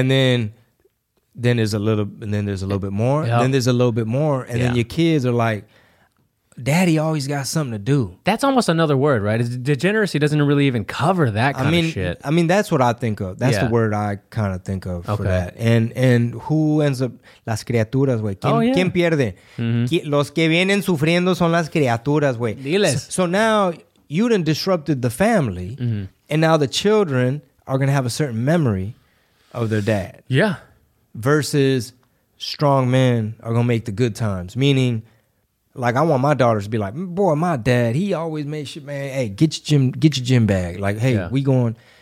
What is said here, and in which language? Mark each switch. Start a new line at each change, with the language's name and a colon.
English: And then there's a little bit more. Yep. Then there's a little bit more. And then your kids are like, Daddy always got something to do. That's almost another word, right? Degeneracy doesn't really even cover that kind of shit. I mean, that's what I think of. That's the word I kind of think of for that. And who ends up...
Spanish: Las criaturas, güey. ¿Quién pierde? Mm-hmm. Los que vienen sufriendo son las criaturas, güey. Diles.
English: So now you done disrupted the family, mm-hmm. and now the children are going to have a certain memory of their dad. Yeah. Versus strong men are going to make the good times, meaning... Like, I want my daughters to be like, boy, my dad, he always made shit, man. Hey, get your gym bag. Like, hey, we going.